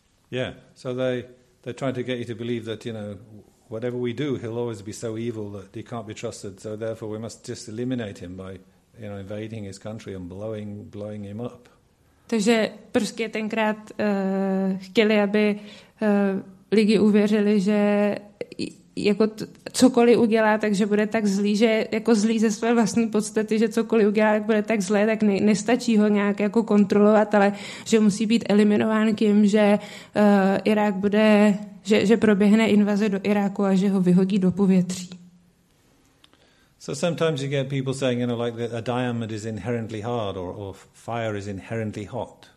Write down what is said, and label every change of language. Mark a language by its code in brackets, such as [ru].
[en] Yeah, so they're trying to get you to believe that, you know, whatever we do, he'll always be so evil that he can't be trusted, so therefore we must just eliminate him by, you know, invading his country and blowing him up. [cs] Takže prostě tenkrát chtěli, aby lidi uvěřili, že jako cokoliv udělá, takže bude tak zlý, že jako zlý ze své vlastní podstaty, že cokoliv udělá, tak bude tak zlé, tak nestačí ho nějak jako kontrolovat, ale že musí být eliminován tím, že Irák bude, že proběhne invaze do Iráku a že ho vyhodí do povětří. [en] So sometimes you get people saying, you know, like a diamond is inherently hard, or fire is inherently hot.